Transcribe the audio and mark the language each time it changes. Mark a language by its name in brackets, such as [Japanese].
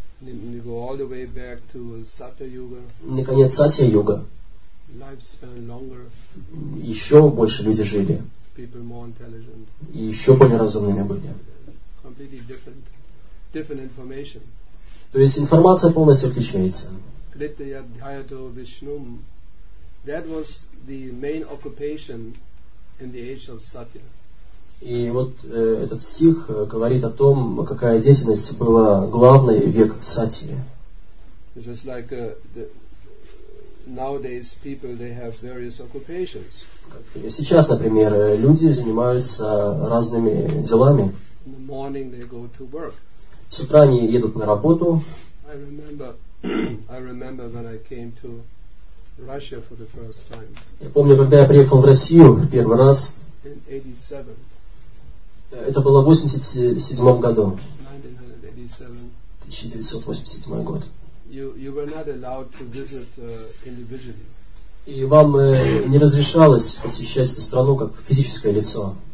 [English] You go all the way back to Satya-yuga. [Russian] Наконец, Сатья-юга. [English] Lifespan longer. [Russian] Еще больше люди жили. [English] People more intelligent. [Russian] И еще более разумными были. [English] Completely different different information. [Russian] То есть информация полностью отличается. [Sanskrit] Kritya Dhyayato Vishnum, [English] that was the main occupation in the age of Satya. [Russian] И вот этот стих говорит о том, какая деятельность была главной в век Сатьи. [English] Just like nowadays people, they have various occupations. [Russian] Сейчас, например, люди занимаются разными делами. [English] In the morning they go to work. [Russian] С утра они едут на работу. [English] I remember when I came to Russia for the first time. [Russian] Я помню, когда я приехал в Россию в первый раз. [English] In 87. [Russian] Это было в 87 году. [English] 1987 [Russian] год. [English] You were not allowed to visit individually. [Russian] И вам не разрешалось посещать страну как физическое лицо.